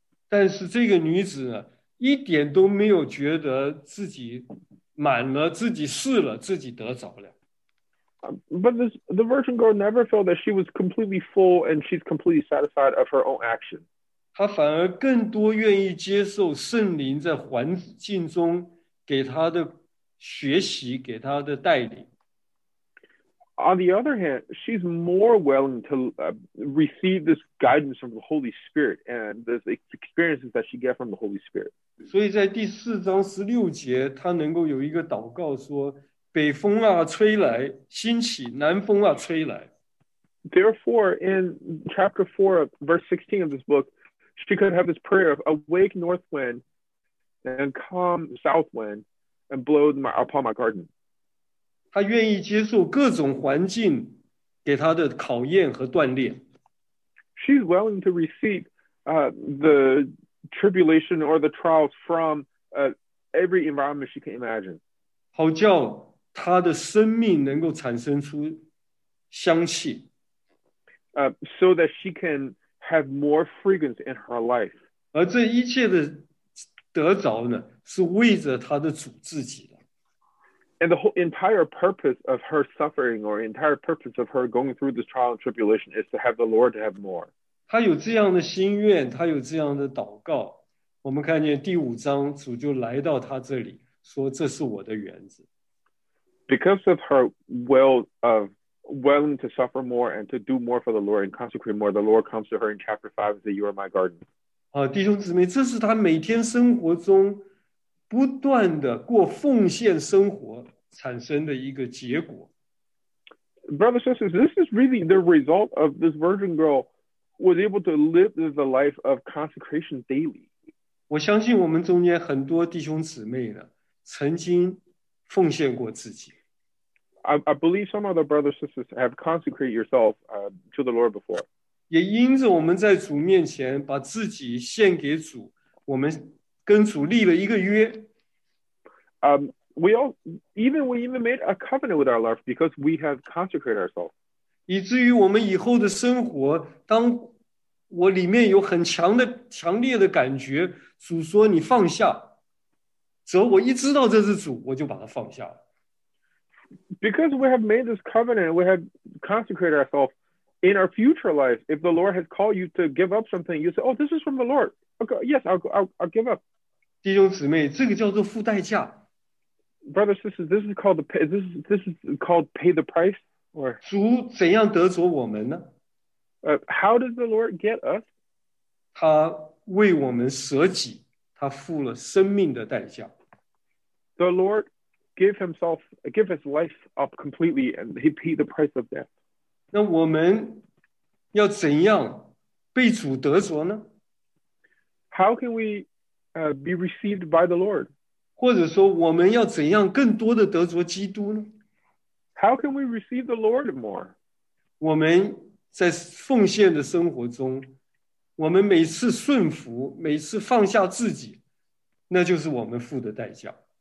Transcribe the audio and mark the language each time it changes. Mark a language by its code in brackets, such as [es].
[zh] 但是这个女子呢，一点都没有觉得自己满了，自己试了，自己得着了。 [en] But the virgin girl never felt that she was completely full and she's completely satisfied of her own action. [zh] 她反而更多愿意接受圣灵在环境中给她的学习，给她的带领。 [en] On the other hand, she's more willing to receive this guidance from the Holy Spirit and the experiences that she gets from the Holy Spirit. [zh] 所以在第四章十六节，她能够有一个祷告说，北风啊，吹来，兴起，南风啊，吹来。 [en] Therefore, in chapter 4, verse 16 of this book, she could have this prayer of awake north wind and come south wind and blow upon my garden. [zh] 她愿意接受各种环境给她的考验和锻炼。 [en] She's willing to receive the tribulation or the trials from every environment she can imagine. [zh] 好叫他的生命能够产生出香气 [en] ，so that she can have more fragrance in her life. [zh] 而这一切的得着呢，是为着他的主自己的。 [en] And the whole entire purpose of her suffering, or entire purpose of her going through this trial and tribulation, is to have the Lord to have more. [zh] 他有这样的心愿，他有这样的祷告。我们看见第五章，主就来到他这里，说：“这是我的园子。” [en] Because of her will of willing to suffer more and to do more for the Lord and consecrate more, the Lord comes to her in chapter 5 and says, You are my garden. [zh] 弟兄姊妹，这是她每天生活中不断的过奉献生活产生的一个结果。 [en] Brothers and sisters, this is really the result of this virgin girl was able to live the life of consecration daily. [zh] 我相信我们中间很多弟兄姊妹呢，曾经奉献过自己。 [en] I believe some of the brothers and sisters have consecrated yourself to the Lord before. [zh] 也因着我们在主面前把自己献给主，我们跟主立了一个约。 [en] We made a covenant with our Lord because we have consecrated ourselves. [zh] 以至于我们以后的生活，当我里面有很强的、强烈的感觉，主说你放下。则我一知道这是主，我就把它放下了。 [en] Because we have made this covenant, we have consecrated ourselves in our future life. If the Lord has called you to give up something, you say, "Oh, this is from the Lord." Okay, yes, I'll give up. [zh] 弟兄姊妹，这个叫做付代价。 [en] Brothers, sisters, this is called this is called pay the price. Or [zh] 主怎样得着我们呢？ [en] How does the Lord get us? [zh] 他为我们舍己。他付了生命的代价。 [en] The Lord gave himself, gave his life up completely, and he paid the price of death. [zh] 那我们要怎样被主得着呢？ [en] How can we be received by the Lord? [zh] 或者说我们要怎样更多的得着基督呢？ [en] How can we receive the Lord more? [zh] 我们在奉献的生活中，我们每次顺服，每次放下自己，那就是我们付的代价。